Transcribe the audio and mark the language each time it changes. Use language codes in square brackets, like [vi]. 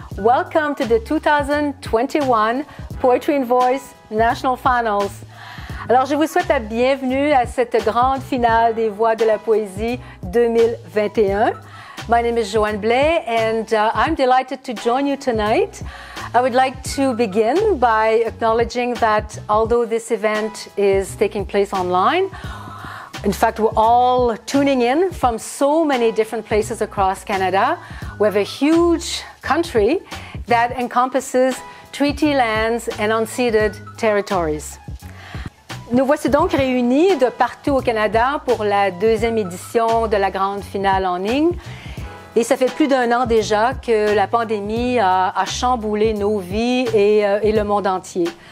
[en] Welcome to the 2021 Poetry and Voice National Finals. [fr] Alors, je vous souhaite la bienvenue à cette grande finale des Voix de la Poésie 2021. [en] My name is Joanne Blais, and I'm delighted to join you tonight. I would like to begin by acknowledging that although this event is taking place online, in fact, we're all tuning in from so many different places across Canada. We have a huge country that encompasses treaty lands and unceded territories. [fr] Nous voici donc réunis de partout au Canada pour la deuxième édition de la grande finale en ligne. Et ça fait plus d'un an déjà que la pandémie a chamboulé nos vies et le monde entier.